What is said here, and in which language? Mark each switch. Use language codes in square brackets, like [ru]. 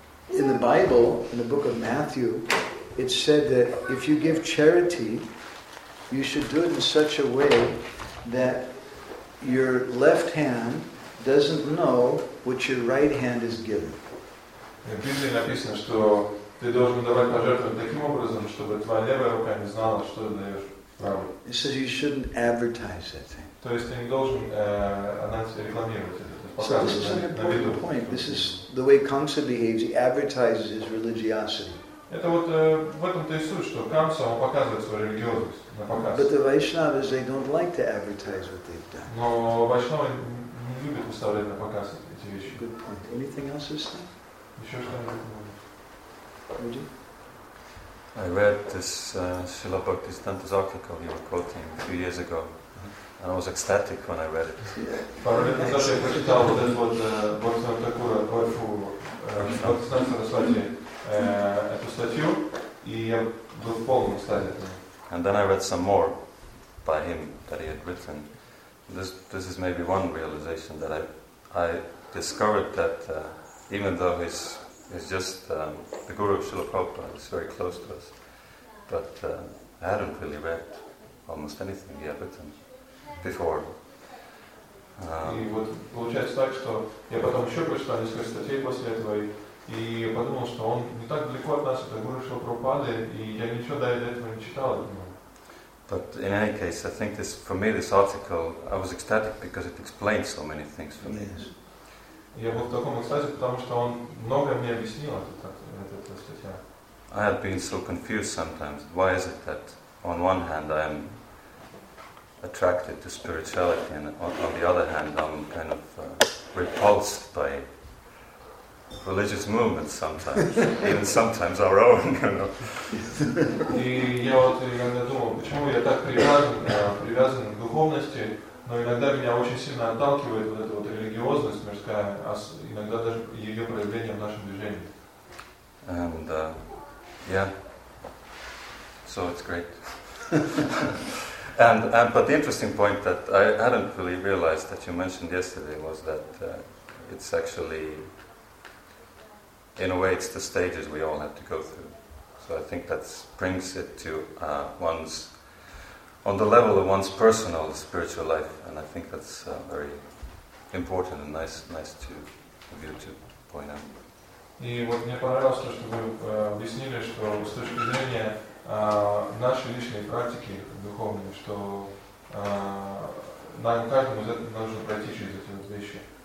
[en] In the Bible, in the book of Matthew, it's said that if you give charity, you should do it in such a way that your left hand doesn't know what your right hand is giving. In the Bible, it's said that you should give charity in such a way that your left hand doesn't know what you're giving. It says you shouldn't advertise that thing. [ru] То есть ты не должен рекламировать это. [en] So this is an important point. This is the way Kamsa behaves. He advertises his religiosity. [ru] Это вот в этом-то и суть, что Kamsa, он показывает свою религиозность на показ. [en] But the Vaishnavas, they don't like to advertise what they've done. [ru] Но Vaishnavas не любят выставлять на показ эти вещи. [en] Good point. Anything else this time? [ru] Еще что-нибудь? [en] Would you? I read this Śrīla Bhaktisiddhānta's article you were quoting a few years ago. And I was ecstatic when I read it. And then I read some more by him that he had written. This is maybe one realization that I discovered that even though he's just the guru of Srila Prabhupada, he's very close to us, but I hadn't really read almost anything he had written before. [ru] И вот получается так, что я потом еще прочитал несколько статей после этого, и я подумал, что он не так далеко от нас, это Гуру Шрила Прабхупады, и я ничего до этого не читал. [en] But in any case, I think this, for me, this article, I was ecstatic because it explained so many things for me. [ru] Я был в таком экстазе, потому что он многое мне объяснил, эта статья. [en] I have been so confused sometimes. Why is it that on one hand I am attracted to spirituality and on the other hand I'm kind of repulsed by religious movements sometimes, even sometimes our own, you know. [ru] И я вот иногда думал, почему я так привязан к духовности, но иногда меня очень сильно отталкивает вот эта вот религиозность мирская, а иногда даже ее проявление в нашем движении. [en] And yeah, so it's great. And but the interesting point that I hadn't really realized that you mentioned yesterday was that it's actually, in a way, it's the stages we all have to go through. So I think that brings it to one's, on the level of one's personal spiritual life, and I think that's very important and nice to of you to point out. [ru] И вот мне понравилось то, что вы объяснили, что с точки зрения нашей личной практики духовной, что нам каждому из этого нужно пройти через эти вот вещи.